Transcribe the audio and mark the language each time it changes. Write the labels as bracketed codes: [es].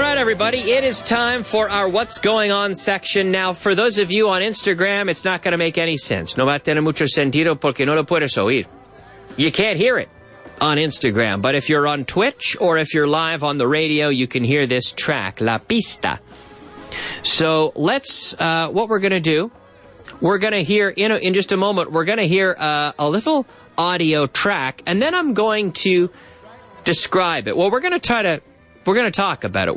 [en] Everybody, it is time for our What's Going On section. Now, for those of you on Instagram, it's not going to make any sense. [es] No va a tener mucho sentido porque no lo puedes oír. [en] You can't hear it on Instagram. But if you're on Twitch or if you're live on the radio, you can hear this track, La Pista. So let's, what we're going to do, we're going to hear, in just a moment, we're going to hear a little audio track, and then I'm going to describe it. Well, we're going to try to... We're going to talk about it.